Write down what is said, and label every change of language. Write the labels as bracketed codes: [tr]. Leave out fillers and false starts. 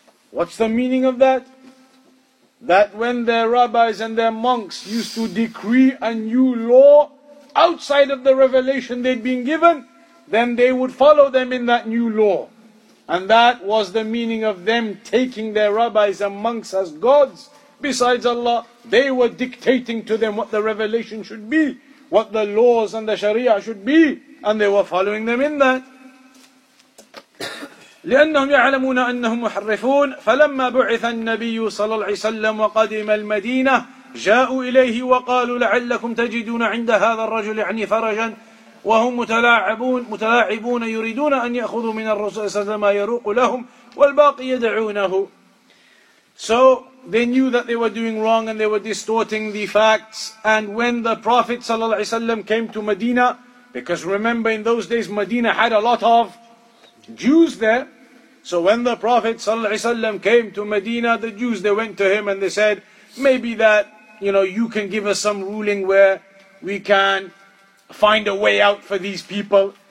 [en] What's the meaning of that? That when their rabbis and their monks used to decree a new law outside of the revelation they'd been given, then they would follow them in that new law. And that was the meaning of them taking their rabbis and monks as gods besides Allah. They were dictating to them what the revelation should be, what the laws and the sharia should be, and they were following them in that. [ar] لأنهم يعلمون أنهم محرفون فلما بعث النبي صلى الله عليه وسلم وقدم المدينة جاءوا إليه وقالوا لعلكم تجدون عند هذا الرجل يعني فرجا وهم متلاعبون يريدون أن يأخذوا من الرسول صلى الله عليه وسلم ما يروق لهم والباقي يدعونه [en] So they knew that they were doing wrong and they were distorting the facts and when the Prophet [ar] صلى الله عليه وسلم [en] came to Medina because remember in those days Medina had a lot of Jews there so when the Prophet صلى الله عليه وسلم came to Medina the Jews they went to him and they said maybe that you know you can give us some ruling where we can find a way out for these people.